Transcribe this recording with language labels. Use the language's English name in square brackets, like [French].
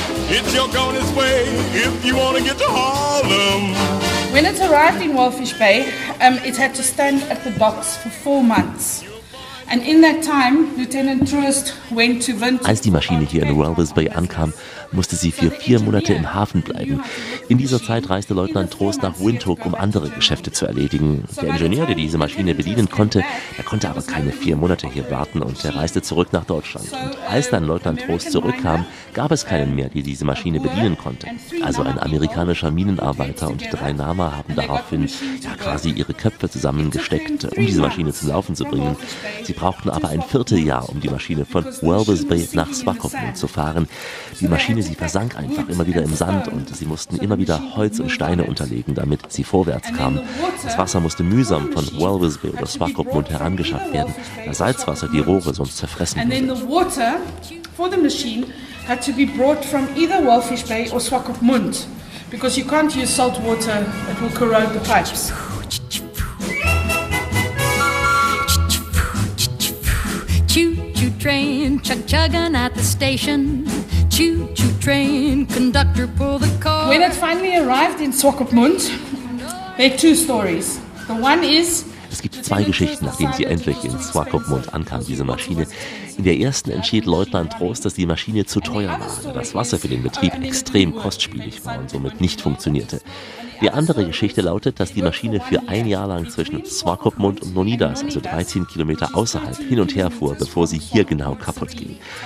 [English] It's your goin' way if you want to get to Harlem. When it arrived in Walvis Bay, it had to stand at the docks for 4 months. And in that time, Lieutenant Truist went to Windhoek. [German] Als die Maschine hier in Walvis Bay ankam, musste sie für 4 Monate im Hafen bleiben. In dieser Zeit reiste Leutnant Trost nach Windhoek, um andere Geschäfte zu erledigen. Der Ingenieur, der diese Maschine bedienen konnte, er konnte aber keine 4 Monate hier warten und er reiste zurück nach Deutschland. Und als dann Leutnant Trost zurückkam, gab es keinen mehr, der diese Maschine bedienen konnte. Also ein amerikanischer Minenarbeiter und 3 Nama haben daraufhin ja quasi ihre Köpfe zusammengesteckt, um diese Maschine zum Laufen zu bringen. Sie brauchten aber ein Vierteljahr, um die Maschine von Walvis Bay nach Swakopmund zu fahren. Die Maschine, sie versank einfach immer wieder im Sand und sie mussten immer wieder Holz und Steine unterlegen, damit sie vorwärts kam. Das Wasser musste mühsam von Walvis Bay oder Swakopmund herangeschafft werden, da Salzwasser die Rohre sonst zerfressen würde. [English] And then the water for the machine had to be brought from either Walvis Bay or Swakopmund, because you can't use salt water, it will corrode the pipes. Choo-choo train, chug-chugging at the station. Choo-choo train, conductor pull the car. When it finally arrived in Swakopmund, there are 2 stories. The one is... [German] Es gibt 2 Geschichten, nachdem sie endlich in Swakopmund ankam, diese Maschine. In der ersten entschied Leutnant Trost, dass die Maschine zu teuer war, da das Wasser für den Betrieb extrem kostspielig war und somit nicht funktionierte. Die andere Geschichte lautet, dass die Maschine für 1 Jahr lang zwischen Swakopmund und Nonidas, also 13 Kilometer außerhalb, hin und her fuhr, bevor sie hier genau kaputt ging.